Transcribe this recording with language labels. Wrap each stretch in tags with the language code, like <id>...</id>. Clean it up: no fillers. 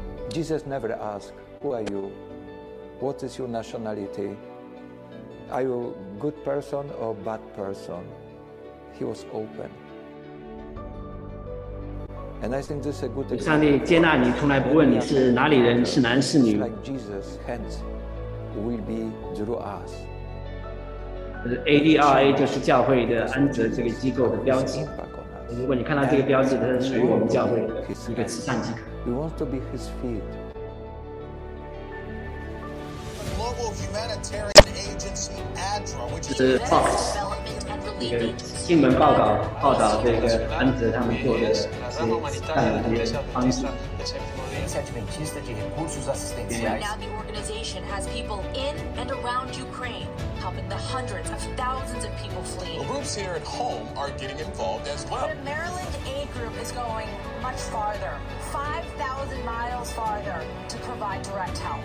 <en>Jesus never asked, who are you? What is your nationality? Are you a good person or a bad person? He was open. And I think this is a good example.</en> <zh>上帝接纳你，从来不问你是哪里人，是男是女。</zh> <en>Like Jesus, hence, will be through us.</en> <zh>ADRA 就是教会的安泽这个机构的标志。如果你看到这个标志，它是属于我们教会的一个慈善机构。</zh> <en>We want to be his feet. A global humanitarian agency, ADRA, which is</en> <zh>Fox, a 新闻报道报道这个安泽他们做的这善的方式。</zh> <en>The organization has people in and around Ukraine, helping the hundreds of thousands of people fleeing. The groups here at home are getting involved as well. The Maryland Aid Group is going much farther, 5,000 miles farther, to provide direct help.</en>